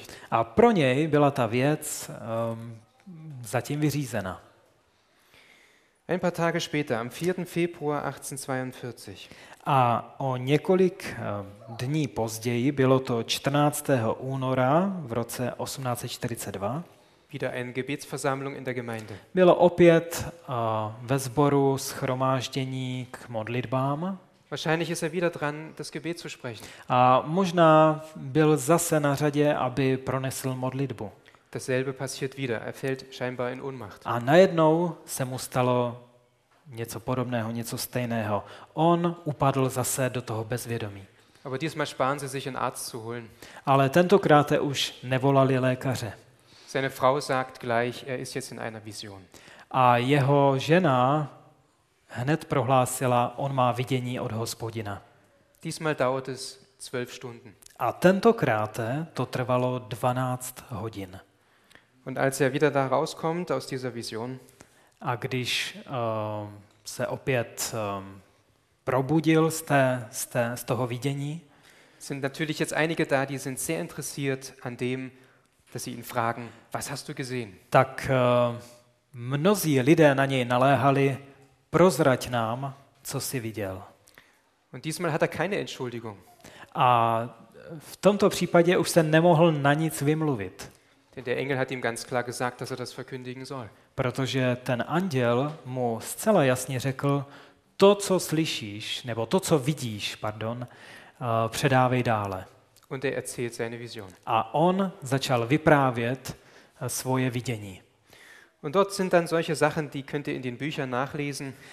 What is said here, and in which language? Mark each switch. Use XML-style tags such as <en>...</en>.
<cs>A pro něj byla ta věc zatím vyřízena.</cs> <de>Ein paar Tage später, am 4. Februar 1842.</de> <cs>A o několik dní později, bylo to 14. února v roce 1842,</cs> <de>wieder eine Gebetsversammlung in der Gemeinde.</de> <cs>Bylo opět ve sboru shromáždění k modlitbám.</cs> <de>Wahrscheinlich ist er wieder dran, das Gebet zu sprechen.</de> <cs>A možná byl zase na řadě, aby pronesl modlitbu.</cs> <de>Dasselbe passiert wieder. Er fällt scheinbar in Ohnmacht.</de> <cs>A najednou se mu stalo něco podobného, něco stejného. On upadl zase do toho bezvědomí.</cs> <de>Aber diesmal sparen sie sich einen Arzt zu holen.</de> <cs>Ale tentokrát už nevolali lékaře.</cs> <de>Seine Frau sagt gleich, er ist jetzt in einer Vision.</de> <cs>A jeho žena hned prohlásila, on má vidění od Hospodina.</cs> <de>Diesmal dauert es 12 Stunden.</de> <cs>A tentokrát to trvalo 12 hodin.</cs> <de>Und als er wieder da rauskommt aus dieser Vision,</de> <cs>a když se opět probudil z toho vidění,</cs> <de>sind natürlich jetzt einige da, die sind sehr interessiert an dem, dass sie ihn fragen, was hast du gesehen?</de> <cs>Tak mnozí lidé na něj naléhali, prozrať nám, co jsi viděl.</cs> <de>Und diesmal hat er keine Entschuldigung.</de> <cs>A v tomto případě už se nemohl na nic vymluvit.</cs> <de>Denn der Engel hat ihm ganz klar gesagt, dass er das verkündigen soll.</de> <cs>Protože ten anděl mu zcela jasně řekl, to, co slyšíš, nebo to, co vidíš, pardon, předávej dále.</cs> <de>Und er erzählt seine Vision.</de> <cs>A on začal vyprávět svoje vidění.</cs> <de>Und dort sind dann solche Sachen, die könnt ihr in den Büchern nachlesen.</de>